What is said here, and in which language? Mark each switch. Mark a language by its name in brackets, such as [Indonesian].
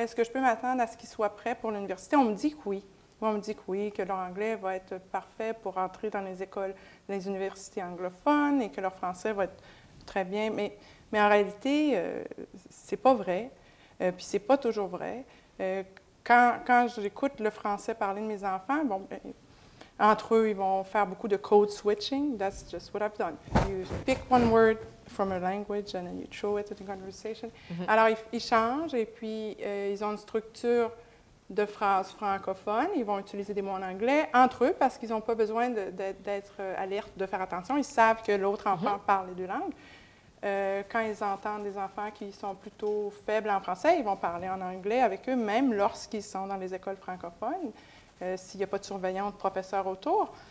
[French] Est-ce que je peux m'attendre à ce qu'ils soient prêts pour l'université? On me dit que oui. On me dit que oui, que leur anglais va être parfait pour entrer dans les écoles, les universités anglophones et que leur français va être très bien. Mais en réalité, c'est pas vrai. Puis c'est pas toujours vrai. Quand j'écoute le français parler de mes enfants, bon, entre eux, ils vont faire beaucoup de code switching. [English] That's just what I've done. You pick one word from a language and then you throw it in a conversation. Mm-hmm. [French] Alors, ils changent et puis ils ont une structure de phrases francophones. Ils vont utiliser des mots en anglais entre eux parce qu'ils n'ont pas besoin d'être alertes, de faire attention. Ils savent que l'autre enfant parle les deux langues. Quand ils entendent des enfants qui sont plutôt faibles en français, ils vont parler en anglais avec eux, même lorsqu'ils sont dans les écoles francophones, s'il n'y a pas de surveillant ou de professeur autour.